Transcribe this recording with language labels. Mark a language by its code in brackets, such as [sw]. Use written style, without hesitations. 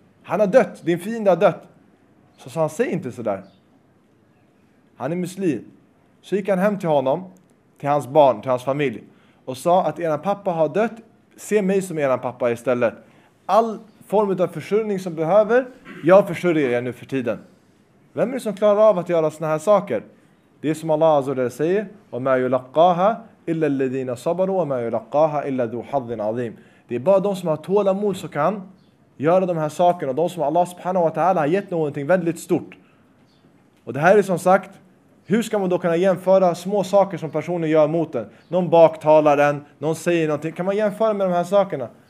[sv] Han har dött, din fiende har dött. Så sa han, säg inte sådär. Han är muslim. Så gick han hem till honom, till hans barn, till hans familj. Och sa att eran pappa har dött, se mig som eran pappa istället. All form av försörjning som behöver, jag försörjer er nu för tiden. Vem är det som klarar av att göra såna här saker? Det är som Allah azza wa jalla säger, [ar] وَمَا يُلَقَّاهَا إِلَّا الَّذِينَ صَبَرُوا وَمَا يُلَقَّاهَا إِلَّا ذُو حَظٍ عَظِيمٍ. [sv] Det är bara de som har tålamod som kan göra de här sakerna. Och de som Allah subhanahu wa ta'ala har gett någonting väldigt stort. Och det här är som sagt, hur ska man då kunna jämföra små saker som personer gör mot en? Någon baktalar en, någon säger någonting. Kan man jämföra med de här sakerna?